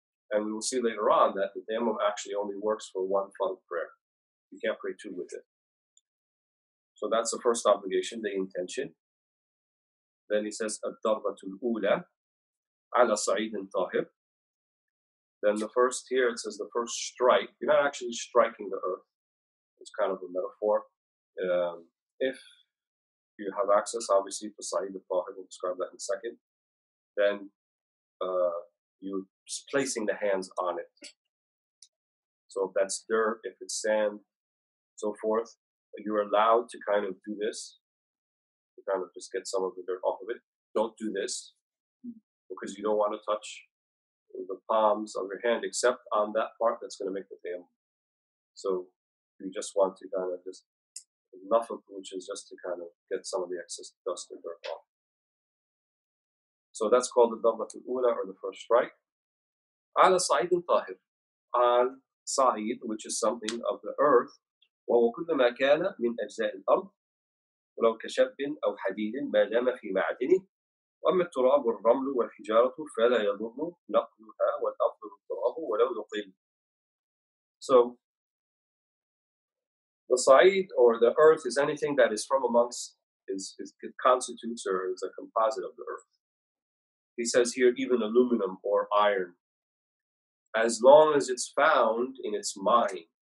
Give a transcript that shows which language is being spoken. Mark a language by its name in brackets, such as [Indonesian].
[English] And we will see later on that the tayammum actually only works for one fard prayer. You can't pray two with it. So that's the first obligation, the intention. Then he says, [Arabic] الضربة الأولى على صعيد طاهر. [English] then the first here, it says the first strike. You're not actually striking the earth. It's kind of a metaphor. If you have access, obviously, to Sa'id al-Tahir, we'll describe that in a second, then you're placing the hands on it. So if that's dirt, if it's sand, so forth, you're allowed to kind of do this, to kind of just get some of the dirt off of it. Don't do this, because you don't want to touch the palms of your hand, except on that part that's going to make the tayammum. So you just want to kind of just, enough of which is just to kind of get some of the excess dust and dirt off. So that's called the dhammatul ula, or the first strike. [Arabic] Ala sa'id al-tahir, al sa'id, [English] which is something of the earth, [Arabic] وَوَكُلَّ مَا كَانَ مِنْ أَجْزَاءِ الْأَرْضِ وَلَوْ كَشَبٍ أَوْ حَدِيدٍ مَا دَامَ فِي مَعْدِنِهِ وَأَمَّا التُّرَابُ الرَّمْلُ وَالْحِجَارَةُ فَلَا يَضُرُّ نَقْلُهَا وَالْأَفْضَلُ التُّرَابُ وَلَوْ نُقِلَ. [English] So, the sa'id, or the earth, is anything that is from amongst, is it constitutes or is a composite of the earth. He says here, even aluminum or iron, as long as it's found in its mine.